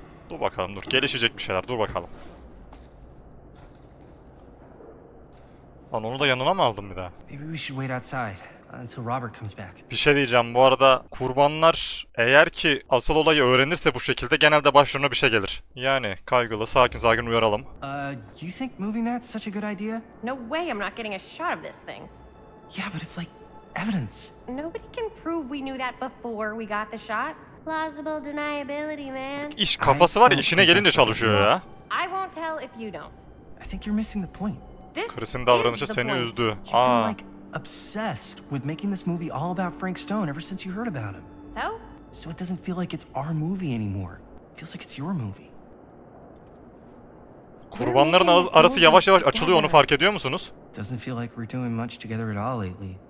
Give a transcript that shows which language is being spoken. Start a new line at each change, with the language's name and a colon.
Turkish: Dur bakalım, dur. Gelişecek bir şeyler. Dur bakalım. Lan onu da yanına mı aldım bir daha? Bir şey diyeceğim. Bu arada kurbanlar eğer ki asıl olayı öğrenirse bu şekilde genelde başlarına bir şey gelir. Yani kaygılı, sakin sakin uyaralım.
English: You think moving that is such a good idea? No way, I'm not getting a shot of this thing. Yeah, but it's like evidence. Nobody can prove we knew that before we got the shot. Plausible deniability, man.
Turkish: İş kafası var, işine gelince çalışıyor ya.
English: I won't tell if you don't. I think you're missing the point.
Turkish: Chris'in davranışı seni üzdü.
English: You've been like obsessed with making this movie all about Frank Stone ever since you heard about him. So? So it doesn't feel like it's our movie anymore. It feels like it's your movie.
Turkish: Kurbanların arası yavaş yavaş açılıyor, onu fark ediyor musunuz?
English: Doesn't feel like we're doing much together at all lately.